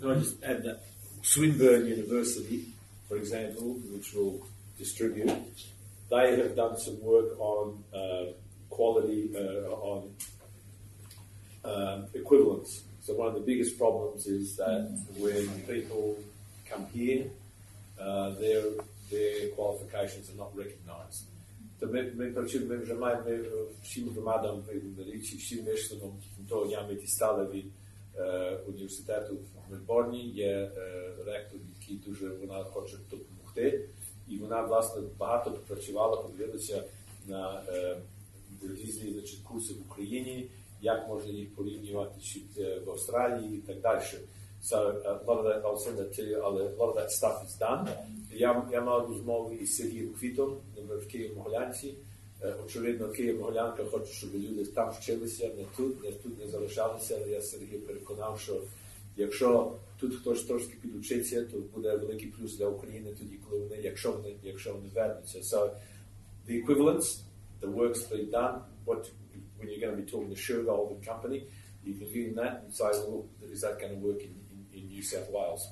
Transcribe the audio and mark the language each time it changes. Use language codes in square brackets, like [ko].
[en] Can I just add that Swinburne University, for example, which will distribute, they have done some work on quality, on equivalence. So one of the biggest problems is that when people come here, their qualifications are not recognised. [uk] То ми почули, ми вже маємо всім громадам річ, всім мешканцям того ямити сталеві університету в Мельборні, є ректор, який дуже вона хоче допомогти, і вона, власне, багато працювала, подивилася на різні курси в Україні, як можна їх порівнювати в Австралії і так далі. [en] So a lot of that, I'll send that to you, a lot of that stuff is done. [uk] Я мав розмову із Сергієм Квітом, в Києво-Могилянці. Очевидно, Києво-Могилянка хоче, щоб люди там вчилися, не тут не залишалися. Але я Сергія переконав, що якщо тут хтось трошки підучиться, то буде великий плюс для України тоді, коли вони, якщо вони вернуться. [en] So the equivalence, the work's been done, when you're going to be talking to Sugar, all the company, you've reviewed that and say, well, is that going to work in New South Wales?